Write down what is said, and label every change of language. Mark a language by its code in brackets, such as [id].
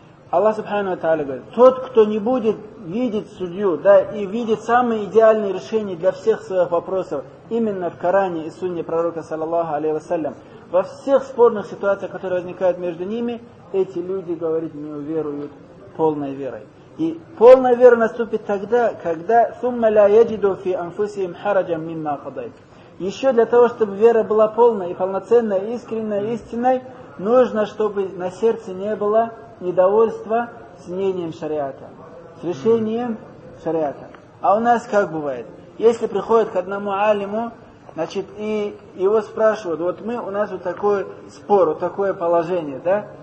[ru] Аллах Субхану ва Тааля говорит, тот, кто не будет видеть судью, да, и видит самые идеальные решения для всех своих вопросов, именно в Коране и Сунне пророка, саллаллаху алейхи ва саллям, во всех спорных ситуациях, которые возникают между ними, эти люди, говорит, не уверуют полной верой. И полная вера наступит тогда, когда [ar] ثُمَّ لَا يَجِدُوا فِي أَنفُسِهِمْ حَرَجًا مِمَّا قَضَيْتُ. [ru] Еще для того, чтобы вера была полной и полноценной, искренней, истинной, нужно, чтобы на сердце не было недовольства с мнением шариата, с решением шариата. А у нас как бывает? Если приходят к одному алиму, значит, и его спрашивают, вот мы, у нас вот такой спор, вот такое положение, да?